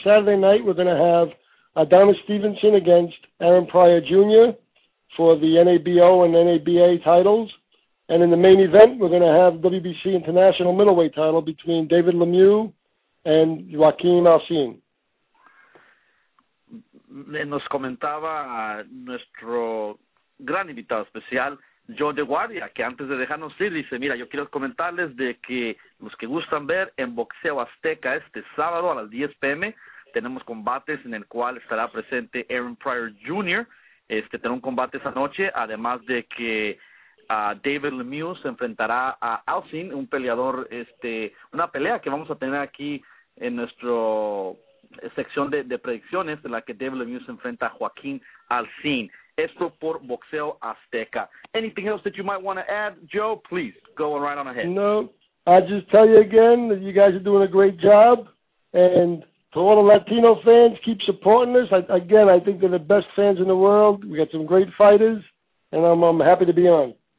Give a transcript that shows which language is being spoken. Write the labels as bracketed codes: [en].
[en] Saturday night, we're going to have Adonis Stevenson against Aaron Pryor Jr. for the NABO and NABA titles. And in the main event, we're going to have WBC International Middleweight title between David Lemieux and Joaquin Alcin. [es] Nos comentaba nuestro gran invitado especial, Joe de Guardia, que antes de dejarnos ir, dice, mira, yo quiero comentarles de que los que gustan ver en Boxeo Azteca este sábado a las 10 p.m., tenemos combates en el cual estará presente Aaron Pryor Jr., tendrá un combate esa noche, además de que David Lemieux se enfrentará a Alcin, un peleador, una pelea que vamos a tener aquí en nuestra sección de predicciones, en la que David Lemieux se enfrenta a Joaquin Alcin. Esto por Boxeo Azteca. [en] Anything else that you might want to add, Joe? Please, go on right on ahead. No, I just tell you again that you guys are doing a great job, and to all the Latino fans, keep supporting us. I think they're the best fans in the world. We got some great fighters, and I'm happy to be on.